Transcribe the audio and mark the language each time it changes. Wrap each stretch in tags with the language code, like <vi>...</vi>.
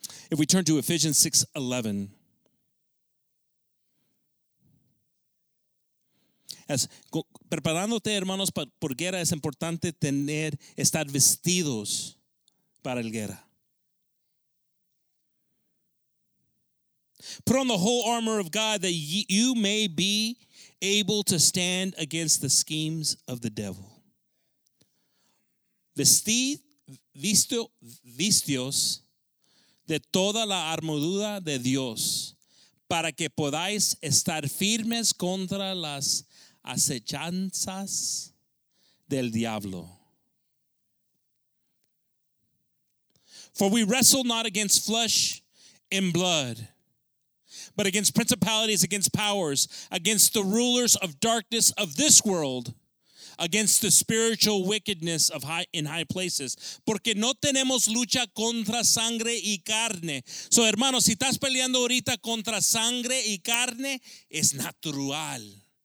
<en>If we turn to Ephesians 6:11,</en> <es>es preparándote, hermanos, por guerra es importante tener estar vestidos para la guerra.</es> <en>Put on the whole armor of God that you may be able to stand against the schemes of the devil.</en> <es>Vistos de toda la armadura de Dios para que podáis estar firmes contra las acechanzas del diablo.</es> <en>For we wrestle not against flesh and blood, but against principalities, against powers, against the rulers of darkness of this world, against the spiritual wickedness of high places.</en> <es>Porque no tenemos lucha contra sangre y carne. So, hermanos, si estás peleando ahorita contra sangre y carne, es natural.</es>